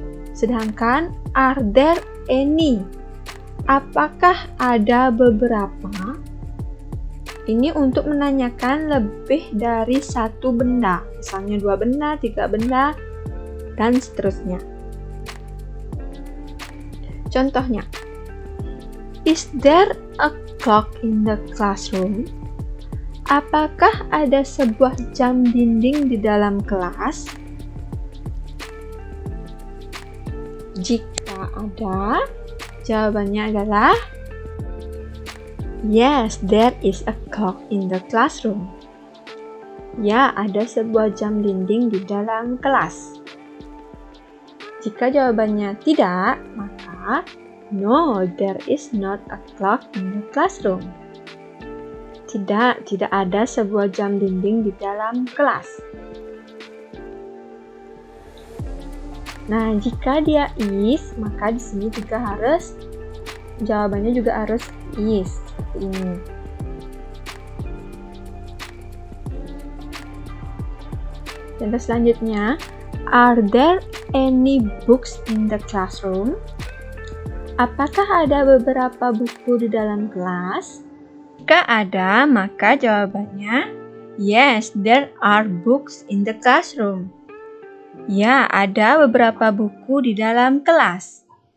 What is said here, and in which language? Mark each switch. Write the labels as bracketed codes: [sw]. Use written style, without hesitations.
[id] Sedangkan, [en] are there any? [id] Apakah ada beberapa? Ini untuk menanyakan lebih dari satu benda, misalnya dua benda, tiga benda, dan seterusnya. Contohnya, [en] is there a clock in the classroom? [id] Apakah ada sebuah jam dinding di dalam kelas? Jika ada, jawabannya adalah [en] yes, there is a clock in the classroom. [id] Ya, ada sebuah jam dinding di dalam kelas. Jika jawabannya tidak, maka [en] no, there is not a clock in the classroom. [id] Tidak ada sebuah jam dinding di dalam kelas. Nah, jika dia is, maka di sini juga harus jawabannya juga harus is. Ini. Dan selanjutnya, [en] are there any books in the classroom? [id] Apakah ada beberapa buku di dalam kelas? Jika ada, maka jawabannya [en] yes, there are books in the classroom. [id] Ya, ada beberapa buku di dalam kelas.